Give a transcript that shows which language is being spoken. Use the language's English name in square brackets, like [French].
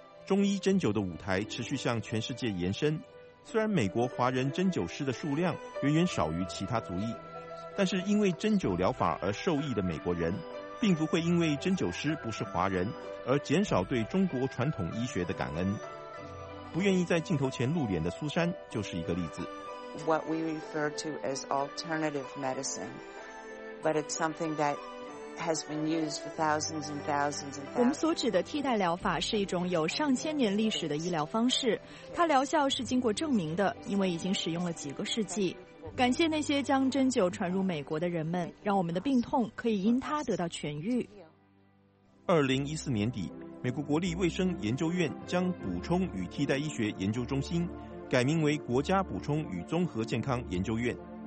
[Chinese] 中医针灸的舞台持续向全世界延伸，虽然美国华人针灸师的数量远远少于其他族裔，但是因为针灸疗法而受益的美国人并不会因为针灸师不是华人而减少对中国传统医学的感恩。不愿意在镜头前露脸的苏珊就是一个例子。 [English] What we refer to as alternative medicine, but it's something that has been used for thousands and thousands and thousands. [Chinese] 我们所指的替代疗法是一种有上千年历史的医疗方式，它疗效是经过证明的，因为已经使用了几个世纪。感谢那些将针灸传入美国的人们，让我们的病痛可以因它得到痊愈。 2014年底，美国国立卫生研究院将补充与替代医学研究中心改名为国家补充与综合健康研究院。